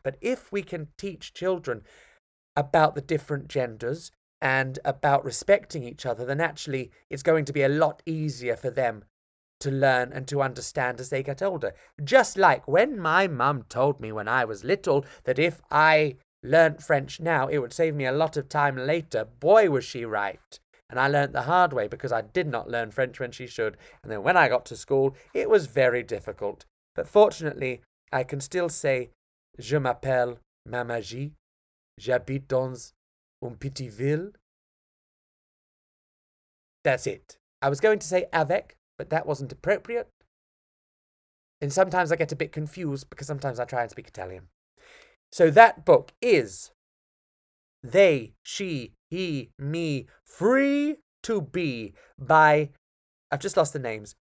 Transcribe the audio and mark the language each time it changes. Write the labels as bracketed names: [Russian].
[English] But if we can teach children about the different genders and about respecting each other, then actually it's going to be a lot easier for them to learn and to understand as they get older. Just like when my mum told me when I was little that if I learnt French now, it would save me a lot of time later. Boy, was she right. And I learnt the hard way, because I did not learn French when she should. And then when I got to school, it was very difficult. But fortunately, I can still say, [French] je m'appelle Mamagie, j'habite dans une petite ville. [English] That's it. I was going to say avec, but that wasn't appropriate. And sometimes I get a bit confused, because sometimes I try and speak Italian. So that book is They, She, He, Me, Free to Be by, I've just lost the names,